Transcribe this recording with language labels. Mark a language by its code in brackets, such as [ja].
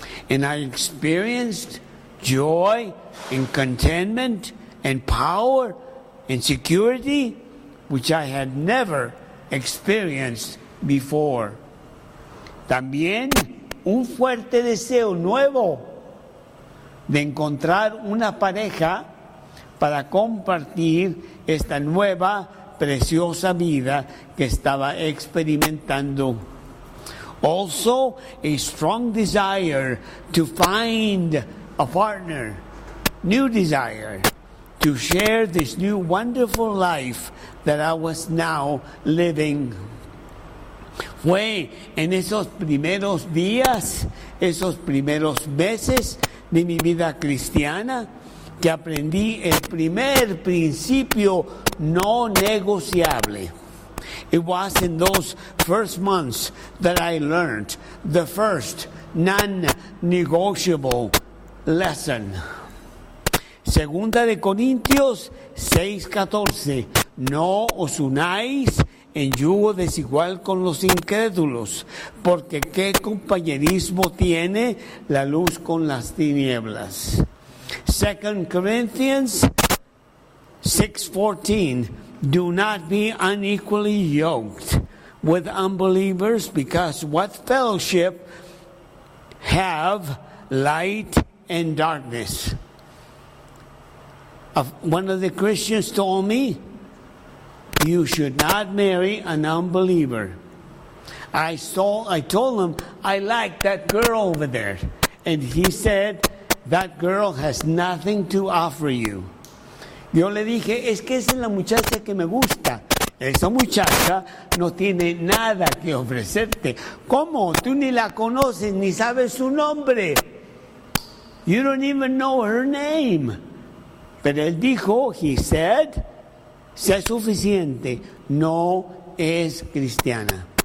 [en] And I experienced joy and contentment and power and security which I had never experienced before. [es] También un fuerte deseo nuevo de encontrar una pareja para compartir esta nueva, preciosa vida que estaba experimentando. [en] Also, a strong desire to find a partner, new desire to share this new wonderful life that I was now living. [es] Fue en esos primeros días, esos primeros meses de mi vida cristiana, que aprendí el primer principio no negociable. [en] It was in those first months that I learned the first non-negotiable lesson. [es] Segunda de Corintios 6:14. No os unáis en yugo desigual con los incrédulos, porque qué compañerismo tiene la luz con las tinieblas. [en] 2 Corinthians 6:14. Do not be unequally yoked with unbelievers, because what fellowship have light and darkness? One of the Christians told me, you should not marry an unbeliever. I told him, I like that girl over there. And he said, that girl has nothing to offer you. [es] Yo le dije, es que esa es la muchacha que me gusta. Esa muchacha no tiene nada que ofrecerte. ¿Cómo? Tú ni la conoces, ni sabes su nombre. [en] You don't even know her name. [es] Pero él dijo, [en] he said, [es] sea suficiente, no es cristiana.